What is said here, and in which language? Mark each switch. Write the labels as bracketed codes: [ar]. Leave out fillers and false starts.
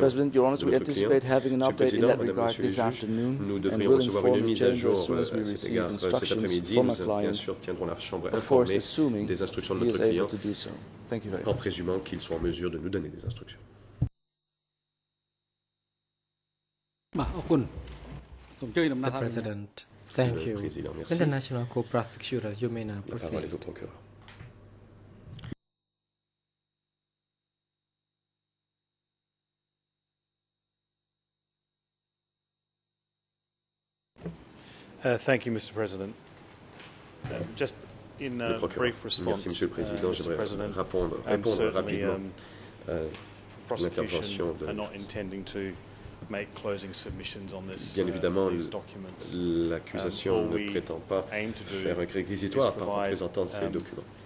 [en] President, Your Honor, we anticipate having an update in that regard this afternoon. [fr] Nous devrions recevoir une mise à jour à cet égard cet après-midi. Nous, bien sûr, tiendrons la Chambre informée des instructions de notre client, en présumant qu'il soit en mesure de nous donner des instructions. [en] The President, thank you. International Co-Prosecutor, you may now proceed. Thank you, Mr. President. Just in a brief response, [fr] Merci, President, [en] prosecution are not intending to make closing submissions on this [fr] bien évidemment, [en] these documents. [fr] L'accusation ne prétend pas faire un réquisitoire par représentant de ces documents.